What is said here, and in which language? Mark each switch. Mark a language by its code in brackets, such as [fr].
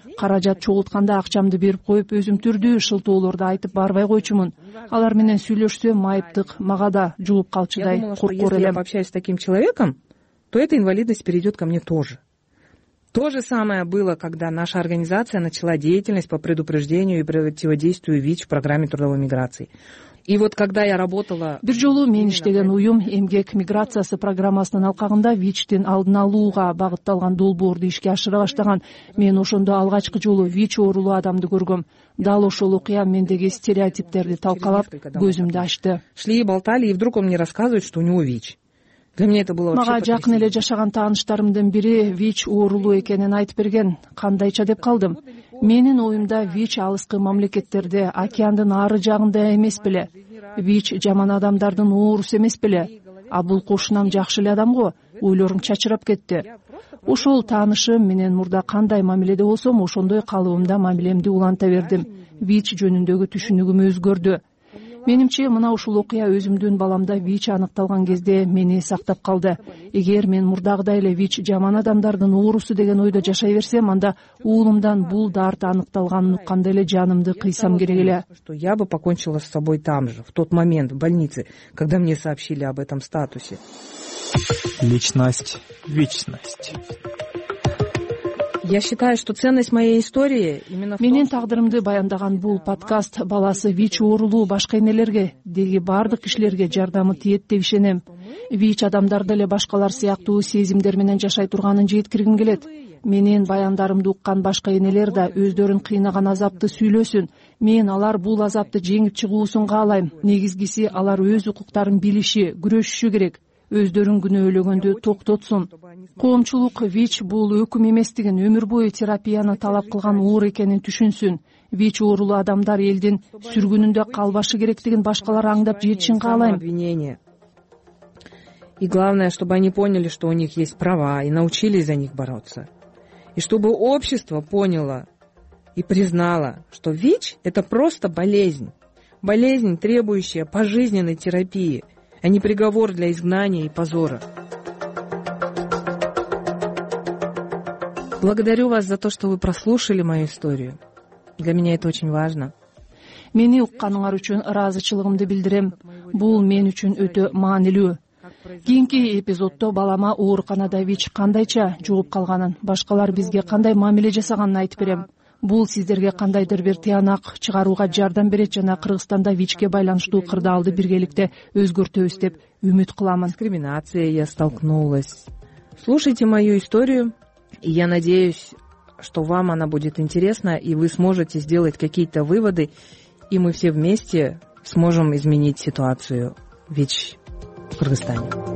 [ky] Каражат чогултканда акчамды берип коюп, өзүм түрдүү шылтоолорду айтып барбай койчумун. Алар менен сүйлөшсөм, майыптык мага да жугуп калчудай коркор элем. [ru] Если я пообщаюсь с таким человеком, то эта инвалидность перейдет ко мне тоже. То же самое было, когда наша организация начала деятельность по предупреждению и противодействию ВИЧ в программе трудовой миграции. И вот когда я работала... [ky] Бир жолу мен иштеген уюм эмгек миграциясы программасынын алкагында ВИЧ'тин алдын алууга багытталган долбоорду ишке ашыра баштаган. Мен ошондо алгачкы жолу ВИЧ оорулуу адамды көргөм. Дал ошол окуя мендеги стереотиптерди талкалап, көзүмдү ачты. [ru] Шли и болтали, и вдруг он мне рассказывает, что у него ВИЧ. Для меня это было [ky] мага жакын эле жашаган тааныштарымдын бири ВИЧ оорулуу экенин айтып берген. Кандайча деп калдым. Менин оюмда ВИЧ алыскы мамлекеттерде океандын ары жагында эмес беле. ВИЧ жаман адамдардын оорусу эмес беле. А бул кошунам жакшы эле адамго, ойлорум чачырап кетти. Ошол таанышым менен мурда кандай мамиледе болсом, ошондой калыбымда мамилемди уланта бердим. ВИЧ жөнүндөгү түшүнүгүм өзгөрдү. Менимче, мына ушул окуя өзүмдүн баламда ВИЧ аныкталган кезде мени сактап калды. Эгер мен мурдагыдай эле ВИЧ жаман адамдардын оорусу деген ойдо жашай берсем, анда уулумдан бул дарт аныкталганын уккандай эле жанымды кыйсам керек эле. [ru] Я бы покончила с собой там же, в тот момент, в больнице, когда мне сообщили об этом статусе. Личность, вечность. Я считаю, что ценность моей истории именно в том, [ky] менин тагдырымды баяндаган бул подкаст баласы ВИЧ оорулуу башка энелерге деги бардык кишилерге жардамы тиет деп ишенем. ВИЧ адамдарды эле башкалар сыяктуу сезимдер менен жашай турганын жеткиргим келет. Менин баяндарымды уккан башка энелер да өздөрүн кыйнаган азапты сүйлөсүн. Мен алар бул азапты жеңип чыгуусун каалайм. Негизгиси алар өз укуктарын билиши, күрөшүшү керек. Өздөрүн күнөөлөгөндү токтотсун. Коомчулук ВИЧ бул өкүм эместигин, өмүр бою терапияны талап кылган оор экенин түшүнсүн. ВИЧ оорулуу адамдар элдин сүргүнүндө калбашы керектигин башкалар аңдап жетишин каалайм. [ru] И главное, чтобы они поняли, что у них есть права и научились за них бороться. И чтобы общество поняло и признало, что ВИЧ это просто болезнь. Болезнь, требующая пожизненной терапии. А не приговор для изгнания и позора. Благодарю вас за то, что вы прослушали мою историю. Для меня это очень важно. [ky] Мени укканыңар үчүн ыраазычылыгымды билдирем. Бул мен үчүн өтө маанилүү. Кийинки эпизоддо балама Ооруканадавич кандайча жугуп калганын, башкалар бизге кандай мамиле жасаганын айтып берем. Бул сиздерге кандайдыр бир тыянак чыгарууга жардам берет жана Кыргызстанда ВИЧке байланыштуу кырдаалды биргеликте өзгөртөбүз деп үмүт кыламын. [ru] Дискриминация я столкнулась. Слушайте мою историю, и я надеюсь, что вам она будет интересна, и вы сможете сделать какие-то выводы, и мы все вместе сможем изменить ситуацию ВИЧ в Кыргызстане.